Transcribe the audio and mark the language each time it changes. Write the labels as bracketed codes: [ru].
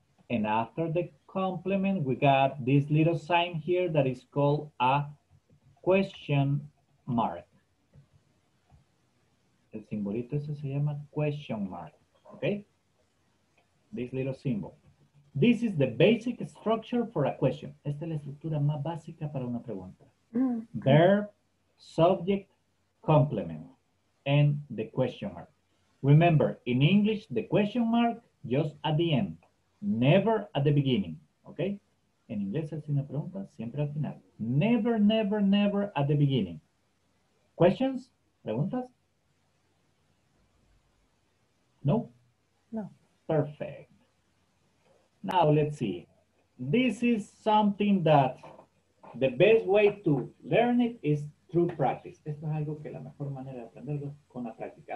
[en] And after the complement, we got this little sign here that is called a question mark. [es] El simbolito ese se llama question mark, okay? [en] This little symbol. This is the basic structure for a question. [es] Esta es la estructura más básica para una pregunta. [en] Verb, subject, complement, and the question mark. Remember, in English, the question mark just at the end, never at the beginning. Okay? [es] En inglés es una pregunta, siempre al final. [en] Never, never, never at the beginning. Questions? ¿Preguntas? No? No. Perfect. Now, let's see. This is something that the best way to learn it is through practice. [es] Esto es algo que la mejor manera de aprenderlo es con la práctica.